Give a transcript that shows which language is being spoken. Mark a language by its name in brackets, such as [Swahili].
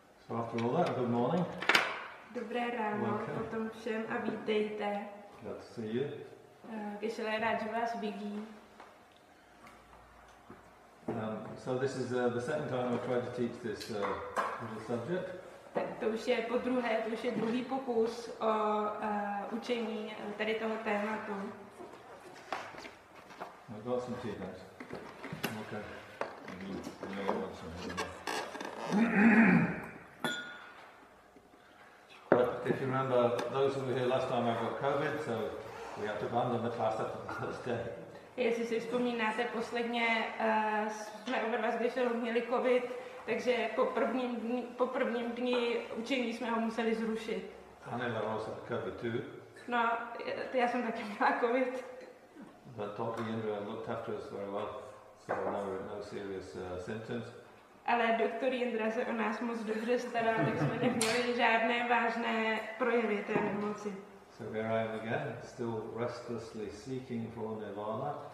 [English] After all that, good morning. [Czech] Dobré ráno, [English] welcome. [Czech] Potom všem a vítejte. [English] Glad to see you. [Czech] Kešelé, rád, že vás vidím. [English] So this is the second time I've tried to teach this little subject. [Czech] Tak to už je po druhé, to už je druhý pokus o učení tady toho tématu. [English] I've got some tea, thanks. Okay. You want some tea. If you remember, those who were here last time, I got COVID, so we had to abandon the class after the first day. [Czech] Jestli si vzpomínáte, posledně jsme u vás, když jsme měli COVID, takže po prvním dni učení jsme ho museli zrušit. [English] And then I also had COVID too. [Czech] No, já jsem taky měla COVID. [English] But Dr. Indra looked after us very well, so no serious symptoms. [Czech] Ale doktor Jindra se o nás moc dobře staral, tak jsme neměli žádné vážné projevy té nemoci. [English] So here I am again, still restlessly seeking for nirvana.